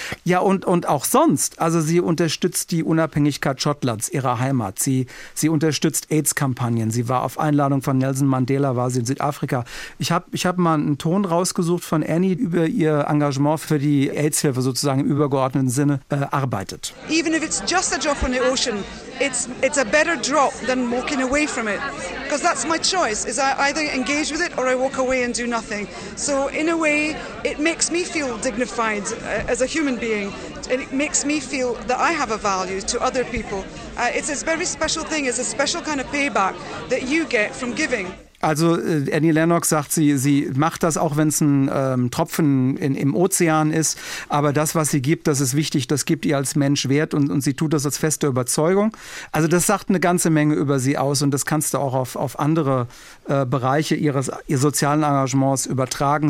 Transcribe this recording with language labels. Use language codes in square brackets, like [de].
[de] Ja, und auch sonst. Also sie unterstützt die Unabhängigkeit Schottlands, ihrer Heimat. Sie unterstützt AIDS-Kampagnen. Sie war auf Einladung von Nelson Mandela, war sie in Südafrika. Ich hab mal einen Ton rausgesucht von Annie über ihr Engagement für die AIDS-Hilfe sozusagen im übergeordneten Sinne arbeitet. [en] Even if it's just a drop in the ocean, it's a better drop than walking away from it. Because that's my choice. Is I either engage with it or I walk away and do nothing. So in a way, it makes me feel dignified as a human being. And it makes me feel that I have a value to other people. It's a very special thing. It's a special kind of payback that you get from giving. [de] Also Annie Lennox sagt, sie macht das, auch wenn es ein Tropfen im Ozean ist. Aber das, was sie gibt, das ist wichtig. Das gibt ihr als Mensch Wert und sie tut das als feste Überzeugung. Also das sagt eine ganze Menge über sie aus und das kannst du auch auf andere Bereiche ihr sozialen Engagements übertragen.